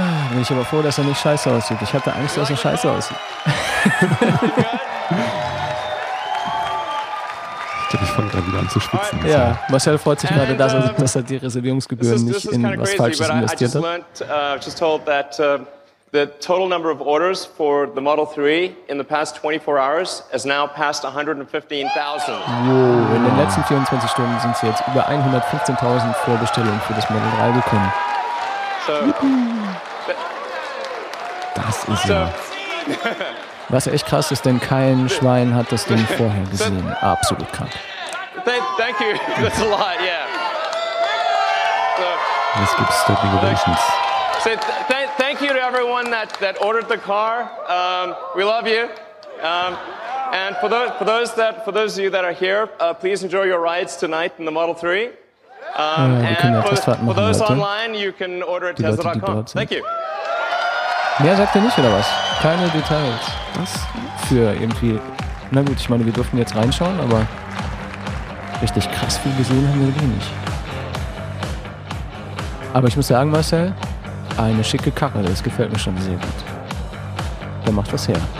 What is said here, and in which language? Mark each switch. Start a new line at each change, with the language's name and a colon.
German: Bin ich aber froh, dass er nicht scheiße aussieht. Ich hatte Angst, dass er scheiße aussieht. Ich glaube, ich fange gerade wieder an zu spitzen. Ja, Marcel freut sich gerade, dass er die Reservierungsgebühren nicht in was Falsches investiert hat.
English: The total number of orders for the Model 3 in the past 24 hours has now passed 115,000.
German: Wow, in den letzten 24 Stunden sind sie jetzt über 115,000 Vorbestellungen für das Model 3 gekommen. So, das ist so, ja. Was echt krass ist, denn kein Schwein hat das Ding vorher gesehen. Absolut krank.
English: Thank you. That's a lot, yeah.
German: Jetzt gibt es Standing Ovations.
English: Thank you to everyone that ordered the car. We love you. And for those of you that are here, please enjoy your rides tonight in the Model 3. And for those online, you can order at Tesla.com. Thank you.
German: Mehr sagt er nicht, oder was? Keine Details. Was? Für irgendwie. Na gut, ich meine, wir durften jetzt reinschauen, aber richtig krass viel gesehen haben wir wenig. Aber ich muss sagen, Marcel. Eine schicke Karre, das gefällt mir schon sehr gut. Der macht was her.